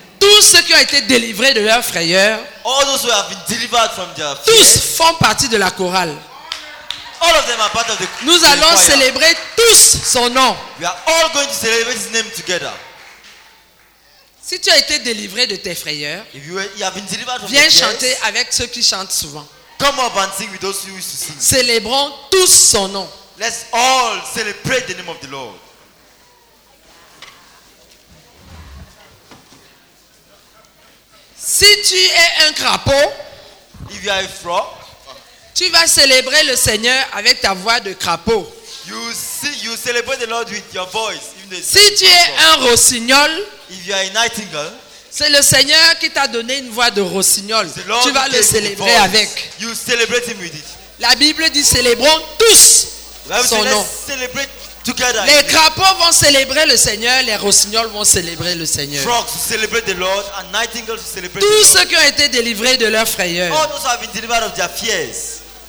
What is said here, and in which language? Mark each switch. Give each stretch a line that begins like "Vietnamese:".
French: tous ceux qui ont été délivrés de leur frayeur,
English: all those who have been delivered from their fear,
French: tous font partie de la chorale.
English: All of them are part of the choir.
French: Nous allons célébrer tous son nom.
English: We are all going to celebrate his name together.
French: Si tu as été délivré de tes frayeurs,
English: if you have been delivered from
French: viens chanter avec ceux qui chantent souvent.
English: Come up and sing with those who used to sing.
French: Célébrons tous son nom.
English: Let's all celebrate the name of the Lord.
French: Si tu es un crapaud,
English: if you are a frog,
French: tu vas célébrer le Seigneur avec ta voix de crapaud.
English: You celebrate the Lord with your voice. Even though
French: si tu es un rossignol,
English: if you are a nightingale,
French: c'est le Seigneur qui t'a donné une voix de rossignol. Tu vas le célébrer
English: voice,
French: avec.
English: You celebrate him with it.
French: La Bible dit célébrons tous son nom.
English: Celebrate together.
French: Les crapauds vont célébrer le Seigneur, les rossignols vont célébrer le Seigneur.
English: Frogs celebrate the Lord and nightingales celebrate.
French: Tous ceux qui ont été délivrés de leur frayeur.
English: All those who have been delivered of their fears.